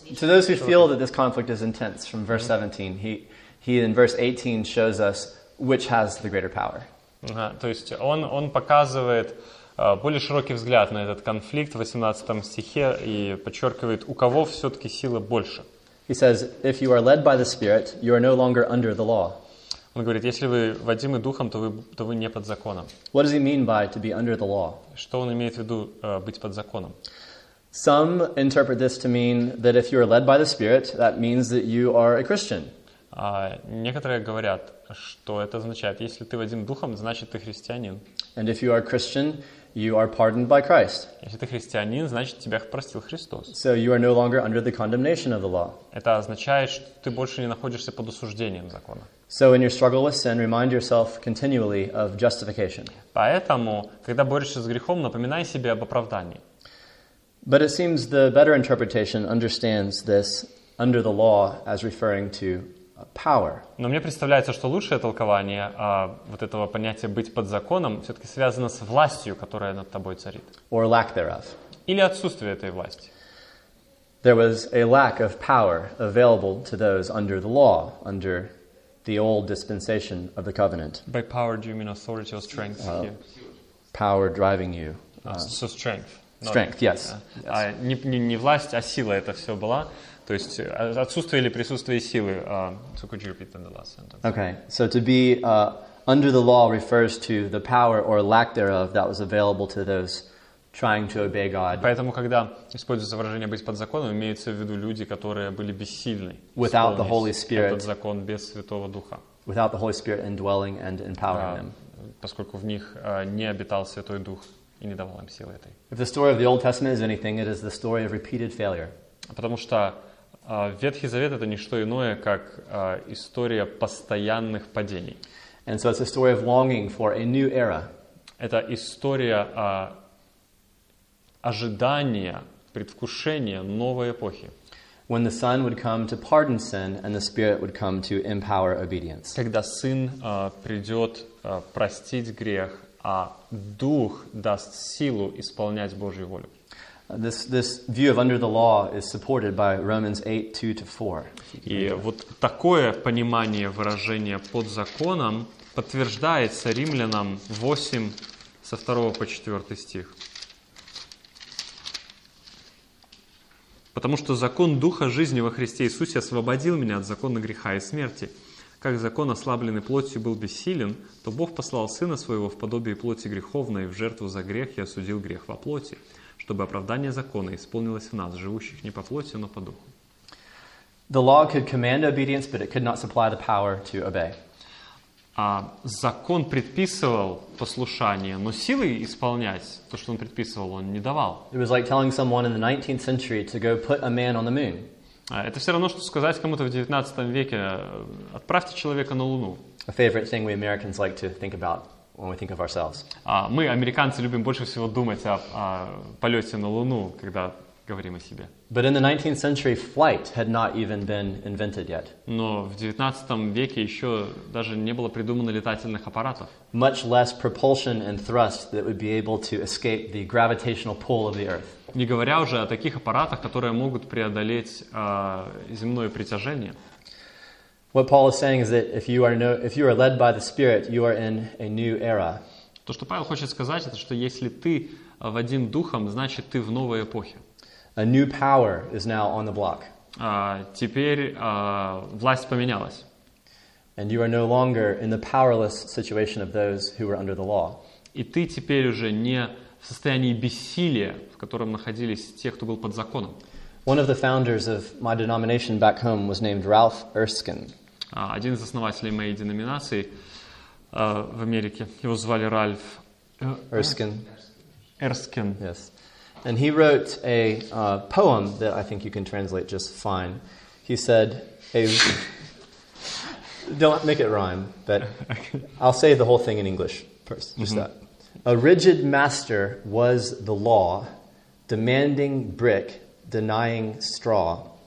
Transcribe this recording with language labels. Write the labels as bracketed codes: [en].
[en] To those who feel that this conflict is intense, from verse 17, he in verse 18 shows us which has the greater power. [ru] То есть он показывает более широкий взгляд на этот конфликт в 18 стихе и подчеркивает, у кого все-таки сила больше. [en] He says, if you are led by the Spirit, you are no longer under the law. [ru] Он говорит, если вы водимы духом, то вы не под законом. [en] What does he mean by to be under the law? [ru] Что он имеет в виду быть под законом? [en] Some interpret this to mean that if you are led by the Spirit, that means that you are a Christian. [ru] Некоторые говорят, что это означает. Если ты водим духом, значит, ты христианин. [en] And if you are Christian, you are pardoned by Christ. [ru] Если ты христианин, значит, тебя простил Христос. [en] So you are no longer under the condemnation of the law. [ru] Это означает, что ты больше не находишься под осуждением закона. [en] So in your struggle with sin, remind yourself continually of justification. [ru] Поэтому, когда борешься с грехом, напоминай себе об оправдании. [en] But it seems the better interpretation understands this under the law as referring to power. [ru] Но мне представляется, что лучшее толкование вот этого понятия быть под законом все-таки связано с властью, которая над тобой царит. [en] Or lack thereof. [ru] Или отсутствие этой власти. [en] There was a lack of power available to those under the law, under the old dispensation of the covenant. By power, do you mean authority or strength? Power driving you. So strength. Strength, yes. [ru] Не власть, а сила это все была. То есть отсутствие или присутствие силы. [en] So could you repeat the last sentence? Okay, so to be under the law refers to the power or lack thereof that was available to those trying to obey God. [ru] Поэтому, когда используется выражение «быть под законом», имеется в виду люди, которые были бессильны. [en] Without the Holy Spirit. [ru] Этот закон без Святого Духа. [en] Without the Holy Spirit indwelling and empowering them. [ru] Поскольку в них не обитал Святой Дух. и не давал им силы этой. [en] If the story of the Old Testament is anything, it is the story of repeated failure. [ru] Потому что Ветхий Завет — это не что иное, как история постоянных падений. [en] And so it's a story of longing for a new era. [ru] Это история ожидания, предвкушения новой эпохи. [en] When the Son would come to pardon sin and the Spirit would come to empower obedience. [ru] Когда Сын придет простить грех, а Дух даст силу исполнять Божью волю. [en] This view of under the law is supported by Romans 8:2-4. [ru] И вот такое понимание выражения под законом подтверждается Римлянам 8 со 2 по 4 стих. Потому что закон Духа жизни во Христе Иисусе освободил меня от закона греха и смерти. Как закон, ослабленный плотью, был бессилен, то Бог послал Сына Своего в подобие плоти греховной в жертву за грех и осудил грех во плоти, чтобы оправдание закона исполнилось в нас, живущих не по плоти, но по духу. [en] The law could command obedience, but it could not supply the power to obey. [ru] Закон предписывал послушание, но силы исполнять то, что он предписывал, он не давал. [en] It was like telling someone in the 19th century to go put a man on the moon. [ru] Это все равно, что сказать кому-то в 19 веке: отправьте человека на Луну. [en] A favorite thing we Americans like to think about when we think of ourselves. [ru] Мы, американцы, любим больше всего думать о полете на Луну, когда говорим о себе. [en] But in the 19th century, flight had not even been invented yet. [ru] Но в 19 веке еще даже не было придумано летательных аппаратов. [en] Much less propulsion and thrust that would be able to escape the gravitational pull of the Earth. [ru] Не говоря уже о таких аппаратах, которые могут преодолеть земное притяжение. [en] What Paul is saying is that if you are led by the Spirit, you are in a new era. [ru] То, что Павел хочет сказать, это что если ты водим духом, значит ты в новой эпохе. [en] A new power is now on the block. [ru] Теперь власть поменялась. [en] And you are no longer in the powerless situation of those who were under the law. [ru] И ты теперь уже не в состоянии бессилия, в котором находились те, кто был под законом. [en] One of the founders of my denomination back home was named Ralph Erskine. [ru] Один из основателей моей деноминации в Америке, его звали Ральф [en] Erskine. Erskine. Yes. And he wrote a poem that I think you can translate just fine. He said, don't make it rhyme, but I'll say the whole thing in English first, just mm-hmm. that. A rigid master was the law, demanding brick, denying straw.